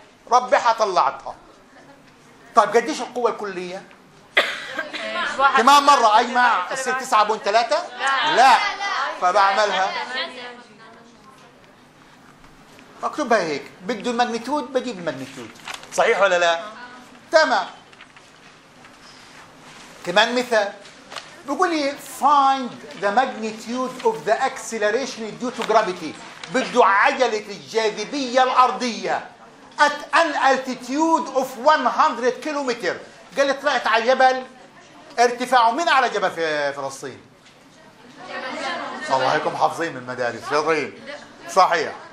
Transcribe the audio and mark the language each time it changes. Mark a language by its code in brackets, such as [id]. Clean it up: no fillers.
[ar] ربحها طلعتها. طيب قديش القوة الكلية؟ كمان مرة اجمع تصير 9.3؟ لا. فبعملها اكتبها هيك. بده الماجنتيود بجيب الماجنتيود. صحيح ولا لا؟ تمام. كمان مثال. بيقول لي [en] find the magnitude of the acceleration due to gravity. [ar] بده عجلة الجاذبية الأرضية [en] at an altitude of 100 [ar] كيلومتر. قال لي طلعت على جبل ارتفاعه، مين أعلى جبل في فلسطين؟ الله يكون حافظين من المدارس شاطرين صحيح.